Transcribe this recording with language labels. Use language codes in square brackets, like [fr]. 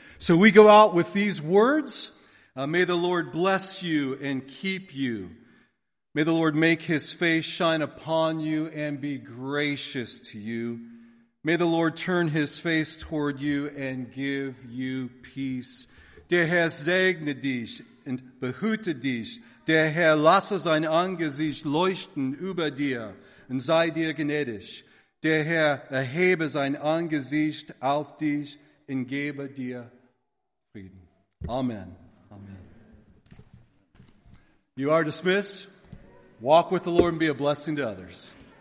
[en] So we go out with these words. May the Lord bless you and keep you. May the Lord make his face shine upon you and be gracious to you. May the Lord turn his face toward you and give you peace. [de] Der Herr segne dich und behüte dich. Der Herr lasse sein Angesicht leuchten über dir und sei dir gnädig. Der Herr erhebe sein Angesicht auf dich und gebe dir Frieden. Amen. Amen. [en] You are dismissed. Walk with the Lord and be a blessing to others.